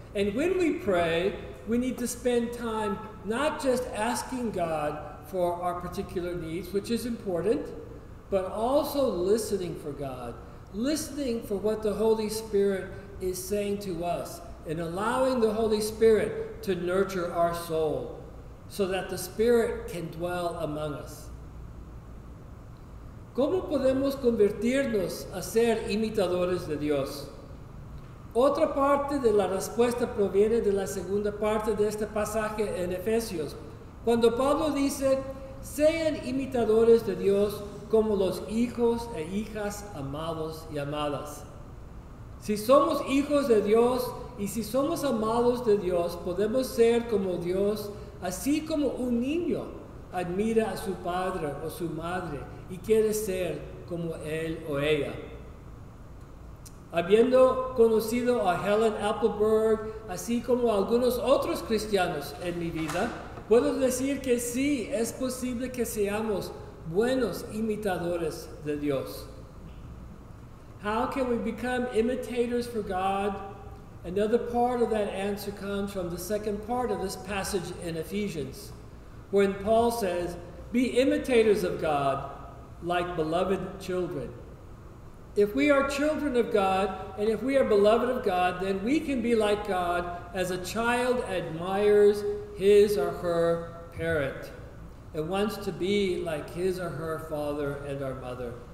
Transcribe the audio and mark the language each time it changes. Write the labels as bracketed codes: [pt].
[en] And when we pray, we need to spend time not just asking God for our particular needs, which is important, but also listening for God, listening for what the Holy Spirit is saying to us, and allowing the Holy Spirit to nurture our soul so that the Spirit can dwell among us. [es] ¿Cómo podemos convertirnos a ser imitadores de Dios? Otra parte de la respuesta proviene de la segunda parte de este pasaje en Efesios, cuando Pablo dice, sean imitadores de Dios como los hijos e hijas amados y amadas. Si somos hijos de Dios y si somos amados de Dios, podemos ser como Dios, así como un niño admira a su padre o su madre y quiere ser como él o ella. Habiendo conocido a Helen Appleberg, así como a algunos otros cristianos en mi vida, puedo decir que sí, es posible que seamos buenos imitadores de Dios. [en] How can we become imitators for God? Another part of that answer comes from the second part of this passage in Ephesians, when Paul says, be imitators of God like beloved children. If we are children of God, and if we are beloved of God, then we can be like God as a child admires his or her parent and wants to be like his or her father and our mother.